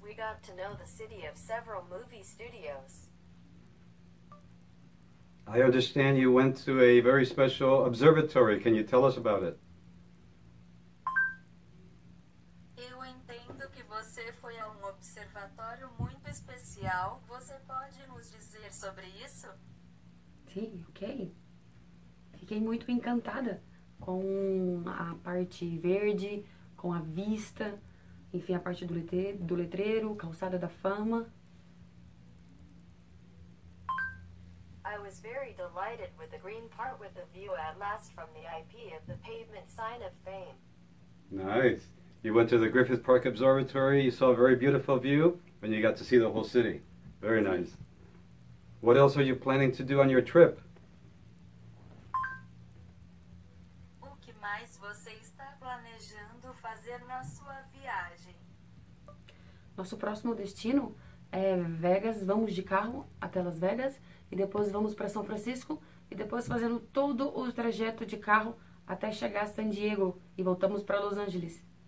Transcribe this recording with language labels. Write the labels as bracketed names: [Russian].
[English] We got to know the city of several movie studios. I understand you went to a very special observatory. Can you tell us about it? [Portuguese] Eu entendo que você foi a um observatório muito especial. Você pode nos dizer sobre isso? Sim, ok. Fiquei muito encantada com a parte verde, com a vista, enfim, a parte do letreiro, calçada da fama. [English] I was very delighted with the green part with the view at last from the IP of the pavement sign of fame. Nice. You went to the Griffith Park Observatory, you saw a very beautiful view, and you got to see the whole city. Very nice. What else are you planning to do on your trip? [Portuguese] O que mais você está planejando fazer na sua viagem? Nosso próximo destino é Vegas. Vamos de carro até Las Vegas. E depois vamos para São Francisco e depois fazendo todo o trajeto de carro até chegar a San Diego e voltamos para Los Angeles.